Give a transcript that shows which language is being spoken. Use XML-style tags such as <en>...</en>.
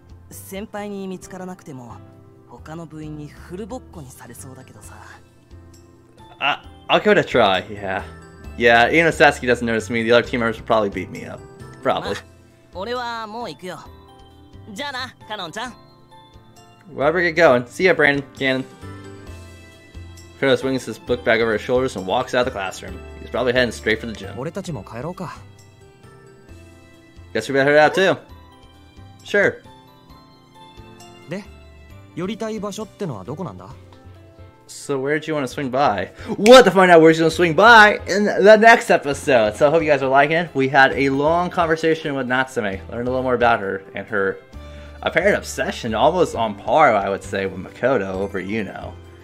<ja>先輩に見つからなくても、他の部員にフルボッコにされそうだけどさ。</ja> <en>I'll give it a try, yeah. Yeah, even if Satsuki doesn't notice me, the other team members will probably beat me up. Probably.</en> <ja>俺はもう行くよ。じゃあな、カノンちゃん。</ja> <en>Wherever you get going. See ya, Brandon. Cannon. Kuro swings his book bag over his shoulders and walks out of the classroom. He's probably heading straight for the gym.</en> <ja>俺たちも帰ろうか。</ja> <en>Guess we better head out too. Sure.</en> <ja>で、寄りたい場所ってのはどこなんだ?</ja> <en>So where did you want to swing by? We'll have to find out where you want to swing by in the next episode. So I hope you guys are liking it. We had a long conversation with Natsume. Learned a little more about her and her apparent obsession, almost on par, I would say, with Makoto over Yuno.</en>